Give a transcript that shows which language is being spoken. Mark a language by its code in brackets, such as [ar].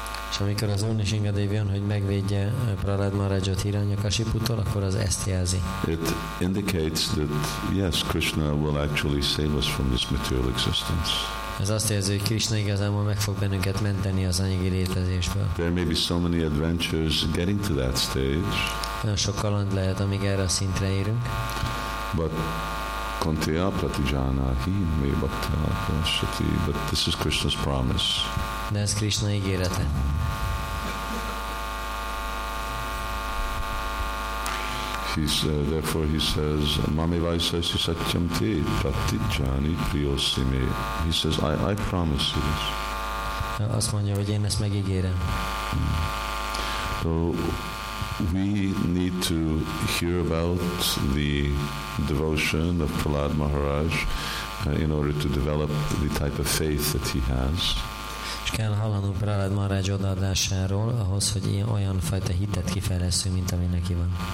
[hu] És amikor az Úr is engedély jön, hogy megvédje Prahlád Maharajot Hiranyakasiputtól, akkor az ezt jelzi. [en] It indicates that yes, Krishna will actually save us from this material existence. [hu] Ez azt jelzi, hogy Krishna igazából meg fog bennünket menteni az anyagi létezésből. [en] There may be so many adventures getting to that stage. [hu] Nagyon sok kaland lehet, amíg erre a szintre érünk. [sa] But Kunti'a pratijanahi me bhaktah prashati. [en] But this is Krishna's promise. [hu] De ez Krishna ígérete. [en] Therefore he says, [sa] Mami vaisasi satyam te pratijani priyosime. [en] He says, I promise you this. [hu] Azt mondja, hogy én ezt megígérem. [en] So we need to hear about the devotion of Prahlad Maharaj in order to develop the type of faith that he has. [hu] És kell hallanunk Prahlad Maharaj odaadásáról ahhoz, hogy olyan fajta hitet kifejlesszünk, mint ami neki van.